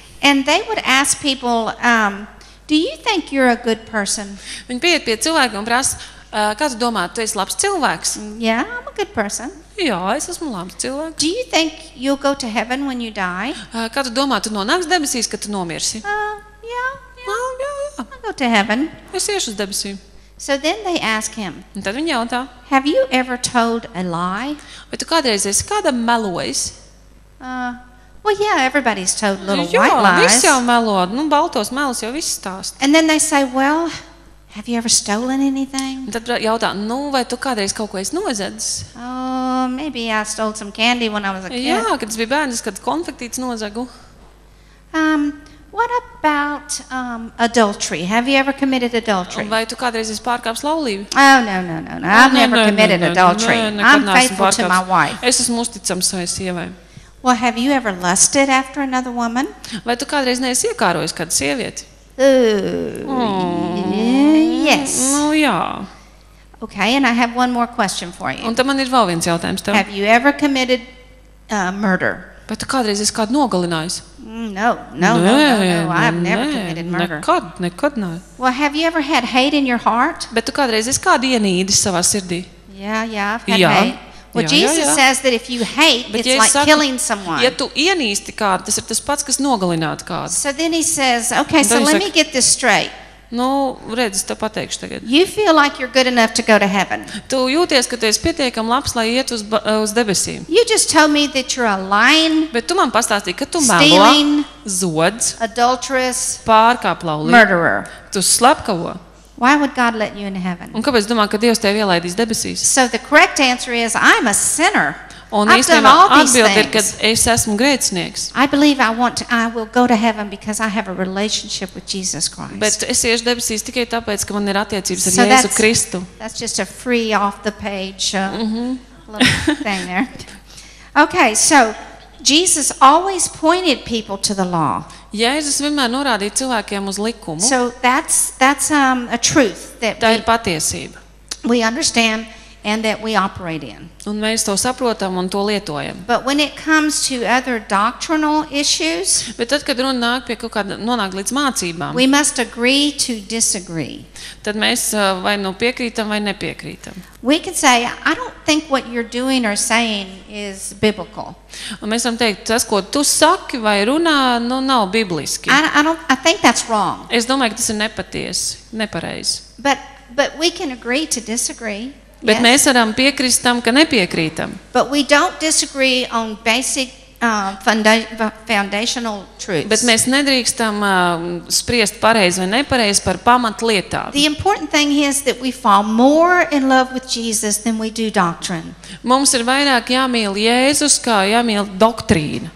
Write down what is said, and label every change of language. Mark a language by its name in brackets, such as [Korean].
[English] And they would ask people, do you think you're a good person? [Latvian] Viņi pieiet pie cilvēkiem un prasa, kā tu domā, tu esi labs cilvēks? [English] Yeah, I'm a good person. [Latvian] Jā, es esmu labs cilvēks. [English] Do you think you'll go to heaven when you die? [Latvian] Kā tu domā, tu nonāks debesīs, kad tu nomirsi? [English] I'll go to heaven. [Latvian] Es iešu uz debesīm. [English] So then they ask him. [Latvian] Un tad viņi jautā. [English] Have you ever told a lie? [Latvian] Vai tu kādreiz esi kādam melojis? [English] Well, everybody's told little white lies. [Latvian] Visi jau melo, baltos melus jau visi stāst. [English] And then they say, well, have you ever stolen anything? [Latvian] Un tad jautā, vai tu kādreiz kaut ko esi nozadzis? [English] Maybe I stole some candy when I was a kid. [Latvian] Jā, kad es biju bērns, kad konfektītes nozagu. [English] What about adultery? Have you ever committed adultery? [Latvian] Vai tu kādreiz esi pārkāpis laulību? [English] No. I've never committed adultery. I'm faithful to my wife. [Latvian] Es esmu uzticams savai sievai. [English] Well, have you ever lusted after another woman? [Latvian] Vai tu kādreiz neesi iekārojis kādu sievieti? [English] Yes. [Latvian] Jā. [English] Okay, and I have one more question for you. [Latvian] Un tad man ir vēl viens jautājums tev. [English] Have you ever committed murder? [Latvian] Bet tu kādreiz esi kādu nogalinājis? [English] No, I've never committed murder. [Latvian] Nekad nav. [English] Well, have you ever had hate in your heart? [Latvian] Bet tu kādreiz esi kādu ienīdis savā sirdī? [English] Yeah, I've had hate. Well, Jesus says that if you hate, [Latvian] bet [English] it's like killing someone. [Latvian] Ja tu ienīsti kādu, tas ir tas pats, kas nogalināt kādu. [English] So then he says, okay, so let me get this straight. [Latvian] Redz, es tev pateikšu tagad. [English] You feel like you're good enough to go to heaven. [Latvian] Tu jūties, ka tu esi pietiekami labs, lai iet uz debesīm. [English] You just told me that you're a lying. [Latvian] Bet tu man pastāstīji, ka tu melo, zods, [English] adulterous, [Latvian] pārkāplaulī, [English] murderer. [Latvian] Tu slepkavo. [English] Why would God let you in heaven? [Latvian] Un kāpēc domā, ka Dievs tevi ielaidīs debesīs? [English] So the correct answer is I'm a sinner. [Latvian] Un īstenībā atbilde ir, ka es esmu grēcinieks. [English] I believe I will go to heaven because I have a relationship with Jesus Christ. [Latvian] Bet es iešu debesīs tikai tāpēc, ka man ir attiecības ar [English] so [Latvian] Jēzu Kristu. [English] That's just a free off the page little thing there. Okay, so Jesus always pointed people to the law. [Latvian] Jēzus vienmēr norādīja cilvēkiem uz likumu. [English] So that's a truth that [Latvian] tā ir patiesība. [English] We understand and that we operate in. [Latvian] Un mēs to saprotam un to lietojam. [English] But when it comes to other doctrinal issues, [Latvian] bet tad, kad runa nāk pie kaut kāda, nonāk līdz mācībām, [English] we must agree to disagree. [Latvian] Tad mēs vai piekrītam vai nepiekrītam. [English] We can say, I don't think what you're doing or saying is biblical. [Latvian] Un mēs varam teikt, tas, ko tu saki vai runā, nav bibliski. [English] I think that's wrong. [Latvian] Es domāju, ka tas ir nepatiesi, nepareizi. [English] But we can agree to disagree. [Latvian] Bet mēs varam piekrist tam, ka nepiekrītam. [English] But we don't disagree on basic foundational truths. [Latvian] Bet mēs nedrīkstam spriest pareizi vai nepareizi par pamatlietām. [English] The important thing is that we fall more in love with Jesus than we do doctrine. [Latvian] Mums ir vairāk jāmīl Jēzus kā jāmīl doktrīnu.